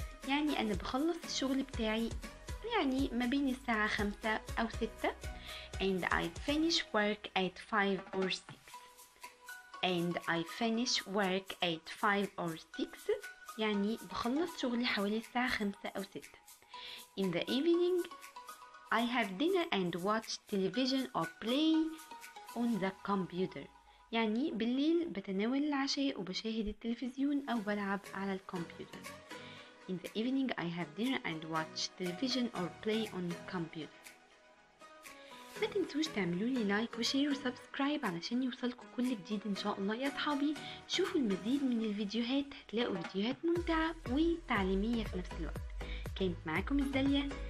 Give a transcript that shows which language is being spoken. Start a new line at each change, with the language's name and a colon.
Arabic: يعني أنا بخلص الشغل بتاعي يعني ما بين الساعة 5 أو 6.
English: And I finish work at 5 or 6. And I finish work at 5 or 6.
Arabic: يعني بخلص شغلي حوالي الساعة 5 أو 6.
English: In the evening, I have dinner and watch television or play on the computer.
Arabic: يعني بالليل بتناول العشاء وبشاهد التلفزيون أو بلعب على الكمبيوتر.
English: In the evening I have dinner and watch television or play on computer.
Arabic: ما تنسوش تعملوا لي لايك وشير وسبسكرايب علشان يوصلكم كل جديد ان شاء الله يا صحابي. شوفوا المزيد من الفيديوهات، هتلاقوا فيديوهات ممتعة وتعليمية في نفس الوقت. كانت معاكم الداليا.